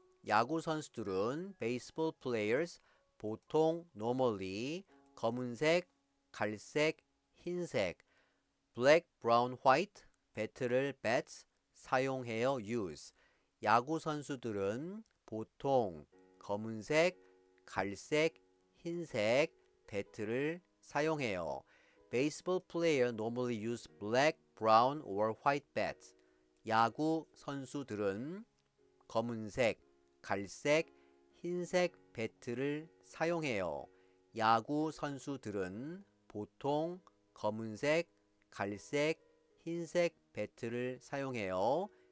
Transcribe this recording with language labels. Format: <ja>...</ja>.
<ko>야구 선수들은</ko> <en>baseball players</en> <ko>보통</ko> <en>normally</en> <ko>검은색, 갈색, 흰색</ko> <en>black, brown, white</en> <ko>배트를 bats 사용해요. use 야구 선수들은 보통 검은색, 갈색, 흰색 배트를 사용해요.</ko> <en>baseball player normally use black, brown or white bats.</en> <ko>야구 선수들은 검은색, 갈색, 흰색 배트를 사용해요. 야구 선수들은 보통 검은색, 갈색, 흰색 배트를 사용해요.</ko>